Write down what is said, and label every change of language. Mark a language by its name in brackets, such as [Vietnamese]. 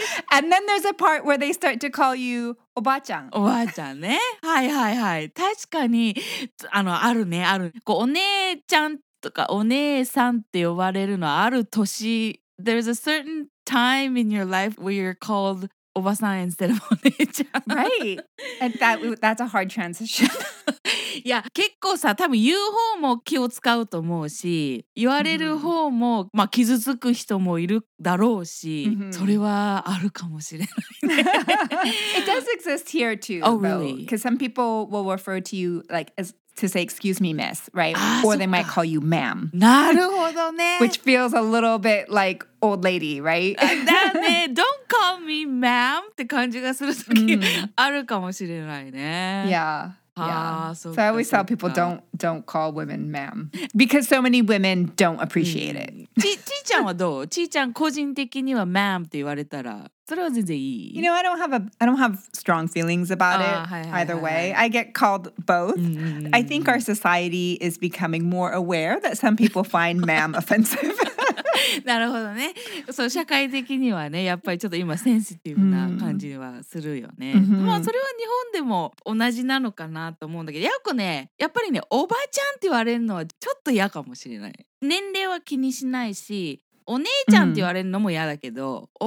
[English] And then there's a part where they start to call you obachan. [Japanese] Obachan, ne? はいはいはい。確かに、あの、あるね、ある。こう、お姉ちゃんとかお姉さんって呼ばれるのはある年。 [English] There's a certain... time in your life where you're called obasan instead of onee-chan. Right. And that's a hard transition. [Japanese] Yeah, 結構さ、多分言う方も気を使うと思うし、言われる方も、mm-hmm. まあ傷つく人もいるだろうし、mm-hmm. それはあるかもしれない、ね。 [English] It does exist here too, though. Oh, really? Because some people will refer to you like as... to say, excuse me, miss, right? Ah, or they might call you ma'am. [Japanese] なるほどね。 [English] Which feels a little bit like old lady, right? [Japanese] だね。 [English] Don't call me ma'am [Japanese] って感じがする時、mm. あるかもしれないね。 [English] Yeah. Yeah. So I always tell people, don't call women ma'am. Because so many women don't appreciate it. [Japanese] ちーちゃんはどう？ちーちゃん個人的には ma'am って言われたら、それは全然いい。 [English] You know, I don't have strong feelings about it either way. I get called both. I think our society is becoming more aware that some people find ma'am offensive. [Japanese] なるほどね。そう、社会的にはね、やっぱりちょっと今センシティブな感じはするよね。 Mm-hmm. まあそれは日本でも同じなのかなと思うんだけど、やっこね、やっぱりね、おばちゃんって言われるのはちょっと嫌かもしれない。年齢は気にしないし、お姉ちゃんって言われるのも嫌だけど、mm-hmm.